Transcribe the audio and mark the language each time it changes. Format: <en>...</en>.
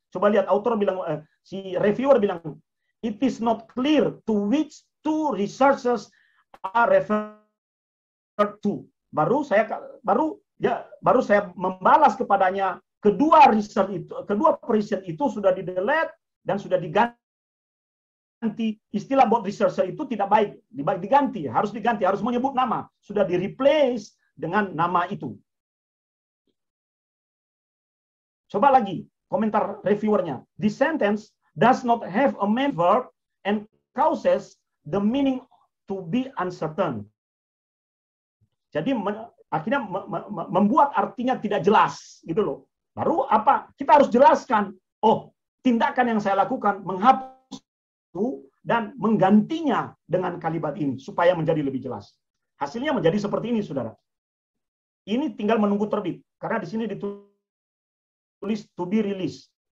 <id>Coba lihat, autor bilang, si reviewer bilang, it is not clear to which two researchers are referred to. Baru saya membalas kepadanya, kedua riset itu sudah di delete dan sudah diganti. Istilah buat researcher itu tidak baik, diganti, harus menyebut nama, sudah di replace dengan nama itu. Coba lagi komentar reviewernya.</id> <en>This sentence does not have a main verb and causes the meaning to be uncertain.</en> <id>Jadi akhirnya membuat artinya tidak jelas, gitu loh. Baru apa? Kita harus jelaskan. Oh, tindakan yang saya lakukan menghapus itu dan menggantinya dengan kalimat ini supaya menjadi lebih jelas. Hasilnya menjadi seperti ini, saudara. Ini tinggal menunggu terbit karena di sini ditulis to be released.</id>